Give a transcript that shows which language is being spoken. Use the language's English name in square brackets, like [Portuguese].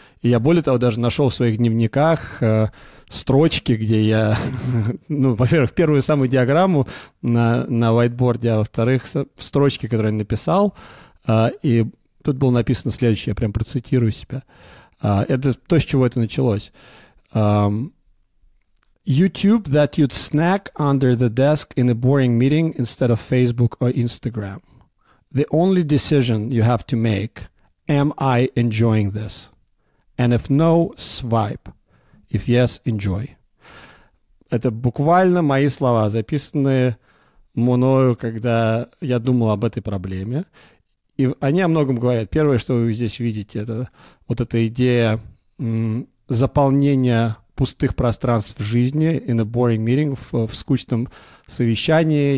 [Russian] И я, более того, даже нашел в своих дневниках строчки, где я, ну, во-первых, первую самую диаграмму на вайтборде, а во-вторых, строчки, которые я написал. И тут было написано следующее, я прям процитирую себя. Это то, с чего это началось. [English] YouTube that you'd snack under the desk in a boring meeting instead of Facebook or Instagram. The only decision you have to make, am I enjoying this? And if no, swipe. If yes, enjoy. [Russian] Это буквально мои слова, записанные мною, когда я думал об этой проблеме. И они о многом говорят. Первое, что вы здесь видите, это вот эта идея заполнения пустых пространств в жизни [English] in a boring meeting, [Russian] в скучном совещании.